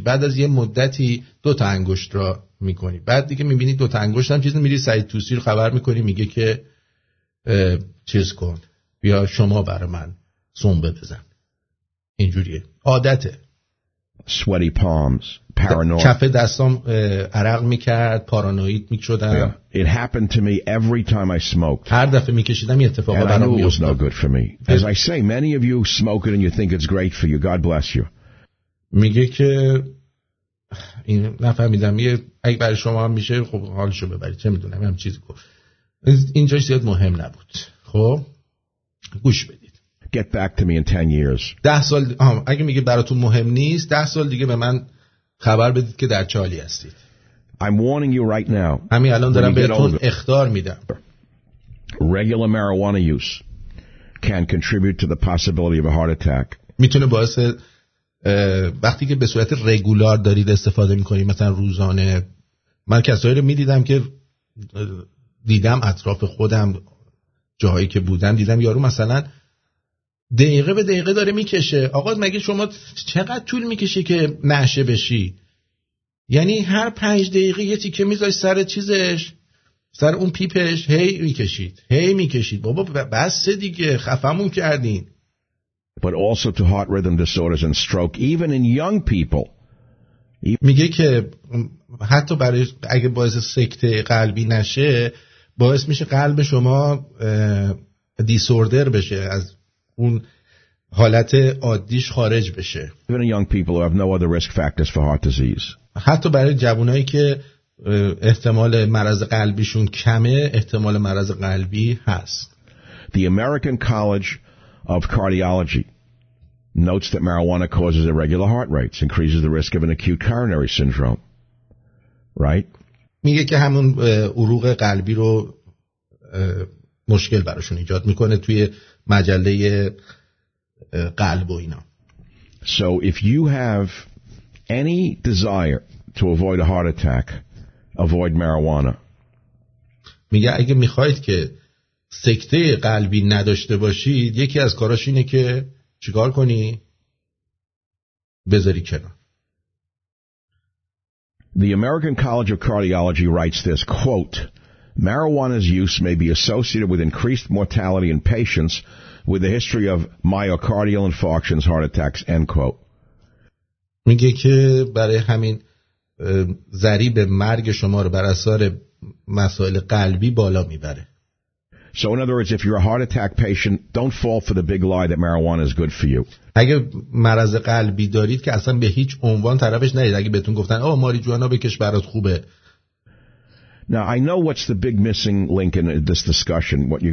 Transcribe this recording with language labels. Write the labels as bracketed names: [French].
[Persian] بعد از یه مدتی دو تا انگشت را میکنی، بعد دیگه میبینی دو تا انگشت هم چیز، میری سعید توسی رو خبر میکنی، میگه که چیز کن بیا شما بر من سنبه بزن. اینجوریه، عادته. [English] Sweaty palms, paranoid. [Persian] کف دستام عرق میکرد، پارانوید میشدم. [English] Yeah. It happened to me every time I smoked. [Persian] هر دفعه میکشیدم یه اتفاق برام میافتاد. [English] And I knew it was no good for me. As I say, many of you smoke it and you think it's great for you. God bless you. [Persian] میگه که این نفهمیدم یه اگه برای شما هم میشه خب حالشو ببرید، چه میدونم هم چیزی گفت. اینجاش زیاد مهم نبود. خب گوش بده. [English] Get back to me in 10 years. [Persian] 10 سال اگه میگه براتون مهم نیست 10 سال دیگه به من خبر بدید که در چالی هستید. [English] I'm warning you right now. [Persian] همین الان دارم بهتون اخطار میدم. [English] Regular marijuana use can contribute to the possibility of a heart attack. [Persian] میتونه باعث وقتی که به صورت رگولار دارید استفاده میکنید مثلا روزانه. من کسایی رو میدیدم که دیدم اطراف خودم جاهایی که بودم دیدم یارو مثلا دقیقه به دقیقه داره میکشه. آقا مگه شما چقدر طول میکشی که نشه بشی؟ یعنی هر پنج دقیقه یه تیکه میذاری سر چیزش، سر اون پیپش، هی میکشید، هی میکشید. بابا بس دیگه، خفمون کردین. [English] But also to heart rhythm disorders and stroke even in young people. [Persian] میگه که حتی برای اگه باعث سکته قلبی نشه، باعث میشه قلب شما دیسوردر بشه، از اون حالت عادیش خارج بشه. [English] Even in young people who have no other risk factors for heart disease. [Persian] حتی برای جوانایی که احتمال مرض قلبیشون کمه، احتمال مرض قلبی هست. [English] The American College of Cardiology notes that marijuana causes irregular heart rates, increases the risk of an acute coronary syndrome. Right? [Persian] میگه که همون عروق قلبی رو مشکل براشون ایجاد میکنه توی مجله قلب و اینا. [English] So if you have any desire to avoid a heart attack, avoid marijuana. [Persian] میگه اگه میخواید که سکته قلبی نداشته باشید، یکی از کاراش اینه که چیکار کنی؟ بذاری کنار. [English] The American College of Cardiology writes this, quote, marijuana's use may be associated with increased mortality in patients with a history of myocardial infarctions, heart attacks, end quote. [Persian] میگه که برای همین ضریب مرگ شما رو بر اثر مسائل قلبی بالا میبره. [English] So in other words, if you're a heart attack patient, don't fall for the big lie that marijuana is good for you. [Persian] اگه مرض قلبی دارید که اصلا به هیچ عنوان طرفش نرید. اگه بهتون گفتن آه ماریجوانا بکش برات خوبه. [English] Now I know what's the big missing link in this discussion.